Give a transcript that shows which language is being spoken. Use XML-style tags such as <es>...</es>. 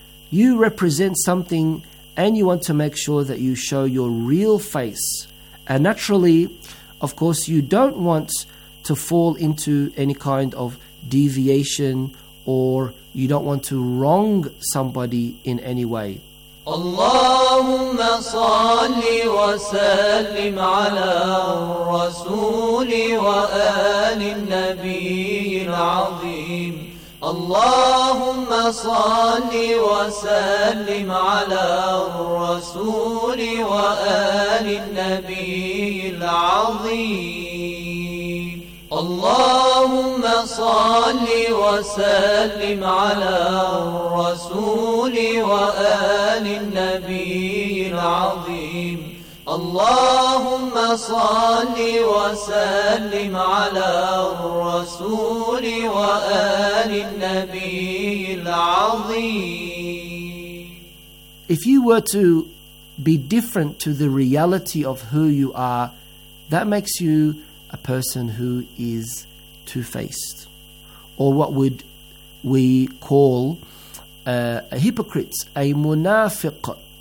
<en>You represent something and you want to make sure that you show your real face. And naturally, of course, you don't want to fall into any kind of deviation, or you don't want to wrong somebody in any way.</en> <ar>اللهم صل وسلم على الرسول وآل النبي العظيم اللهم صل وسلم على الرسول وآل النبي العظيم اللهم صل وسلم على الرسول وآل النبي العظيم اللهم صل وسلم على الرسول وآل النبي العظيم</ar> <en>If you were to be different to the reality of who you are, that makes you a person who is two-faced, or what would we call a hypocrite, a munafiq.</en>